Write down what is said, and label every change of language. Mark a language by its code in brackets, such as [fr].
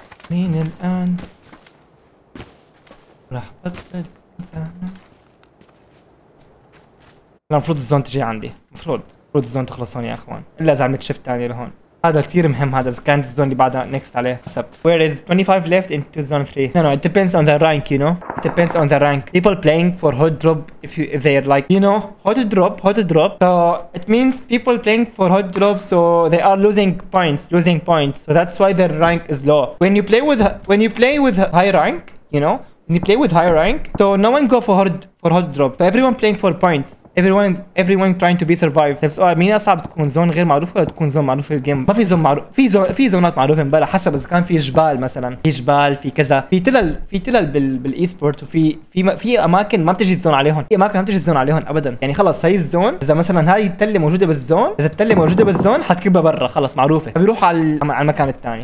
[ar] مين الان راح بطل كمان؟ المفروض الزون تجي عندي، المفروض الزون تخلص هون يا اخوان الا اذا عملت شيفت ثاني لهون. هذا كثير مهم، هذا اذا كانت الزون اللي بعدها نيكست عليه حسب. [en] Where is 25 left into zone 3؟ No, it depends on the rank, you know. It depends on the rank. People playing for hot drop if they're like, you know, hot drop. So it means people playing for hot drop, so they are losing points. So that's why their rank is low. When you play with high rank, you know, when you play with high rank, so no one go for hot drop. So everyone playing for points. Everyone trying to be survived. That's why [ar] مين أصعب تكون زون غير معروف ولا تكون زون معروف في الجيم؟ ما في زون معروف، في زونات معروفة بلا حسب إذا كان في جبال مثلا، في جبال في تلال بالإي سبورت، وفي في أماكن ما بتجي الزون عليهم، في أماكن ما بتجي الزون عليهم أبدا. يعني خلص هاي الزون، إذا مثلا هاي التلة موجودة بالزون، حتكبها برا خلص معروفة، فبيروح على المكان الثاني.